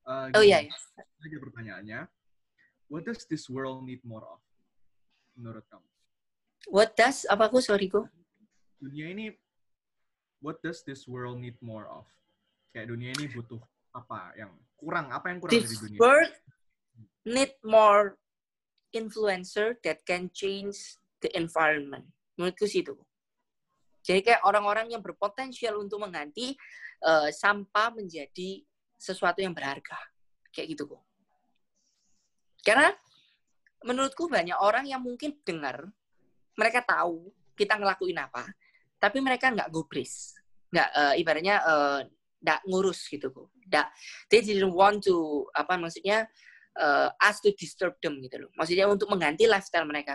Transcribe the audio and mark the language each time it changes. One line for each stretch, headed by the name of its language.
Indonesian: Gini, ada pertanyaannya.
English: What does this world need more of,
Indonesian: menurut kamu?
English: What does?
Indonesian: Apa aku?
English: Sorry, Go.
Indonesian: Dunia ini,
English: what does this world need more of?
Indonesian: Kayak dunia ini butuh apa yang kurang? Apa yang kurang
English: this
Indonesian: dari dunia?
English: This world need more influencer that can change the environment.
Indonesian: Menurutku sih itu. Jadi kayak orang-orang yang berpotensial untuk mengganti sampah menjadi sesuatu yang berharga. Kayak gitu, Go. Karena menurutku banyak orang yang mungkin dengar, mereka tahu kita ngelakuin apa, tapi mereka nggak gubris, nggak ibaratnya nggak ngurus gitu, nggak
English: they didn't want to
Indonesian: apa maksudnya
English: us to disturb them
Indonesian: gitu loh, maksudnya untuk mengganti lifestyle mereka.